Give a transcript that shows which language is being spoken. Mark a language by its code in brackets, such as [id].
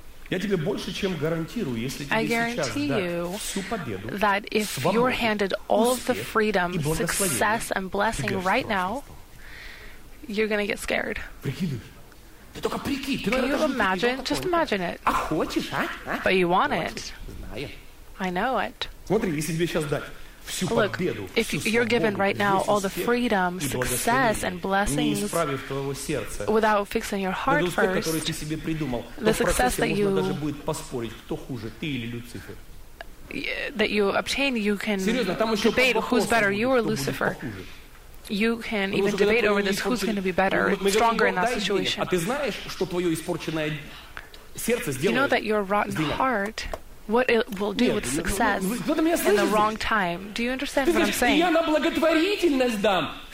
[ru] Я тебе больше, чем гарантирую, если тебе сейчас дать всю победу, [en] that if [ru] свободу, [en] you're handed all of the freedom, success and blessing right now, you're going to get scared. [ru] Ты только прикинь. [en] Can you imagine? Just imagine it. [ru] А хочешь, а? [en] But you want it. [ru] Знаю. [en] I know it. [ru] Смотри, если тебе сейчас дать всю победу, [en] look, [ru] всю [en] if [ru] свободу, [en] you're given right now all the freedom, success, and blessings without fixing your heart first, the success that you obtain, you can debate who's better, you or Lucifer. You can even debate over this, who's going to be better, stronger in that situation. You know that your rotten heart, what it will do with success in the wrong time. Do you understand what I'm saying? [ru] Я на благотворительность дам.